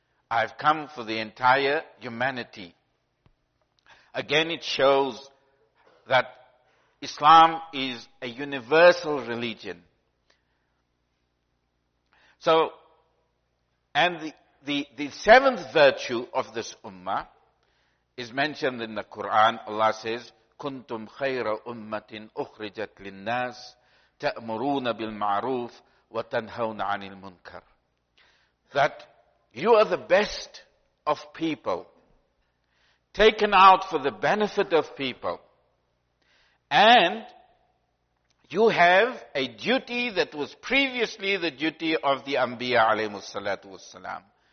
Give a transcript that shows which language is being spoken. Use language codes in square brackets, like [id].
[en] I have come for the entire humanity. Again, it shows that Islam is a universal religion. So, and the seventh virtue of this ummah is mentioned in the Quran. Allah says, [ar] كُنْتُمْ خَيْرَ أُمَّةٍ أُخْرِجَتْ لِلنَّاسِ تَأْمُرُونَ بِالْمَعْرُوفِ وَتَنْهَوْنَ عَنِ الْمُنْكَرِ. [en] That you are the best of people, taken out for the benefit of people, and you have a duty that was previously the duty of the Anbiya alayhi salatu wassalam.